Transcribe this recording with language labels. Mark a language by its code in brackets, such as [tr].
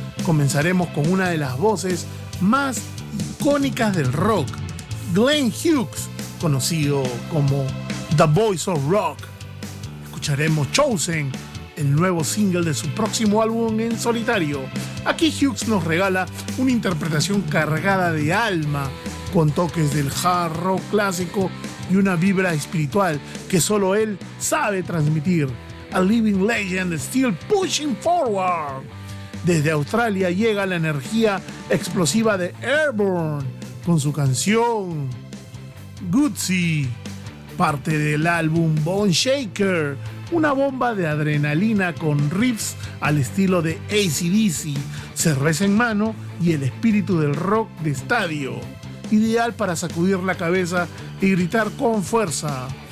[es] Comenzaremos con una de las voces más icónicas del rock, Glenn Hughes, conocido como The Voice of Rock. Escucharemos Chosen el nuevo single de su próximo álbum en solitario. Aquí Hughes nos regala una interpretación cargada de alma, con toques del hard rock clásico y una vibra espiritual que solo él sabe transmitir. [en] A living legend still pushing forward. [es] Desde Australia llega la energía explosiva de Airborne con su canción Gutsy, parte del álbum Bone Shaker, una bomba de adrenalina con riffs al estilo de AC/DC, cerveza en mano y el espíritu del rock de estadio, ideal para sacudir la cabeza y gritar con fuerza.